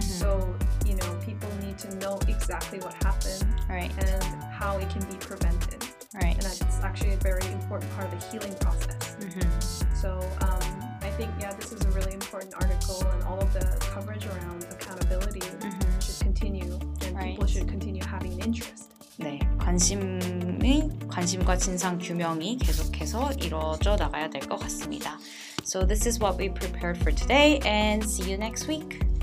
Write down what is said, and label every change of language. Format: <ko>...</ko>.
<en>So, you know, people need to know exactly what happened and how it can be prevented. Right. And that's actually a very important part of the healing process. Mm-hmm. So I think, yeah, this is a really important article and all of the coverage around accountability mm-hmm. should continue and right. people should continue having an interest.</en> <ko>네, 관심과 진상 규명이 계속해서 이루어져 나가야 될 것 같습니다.</ko> <en>So this is what we prepared for today and see you next week.</en>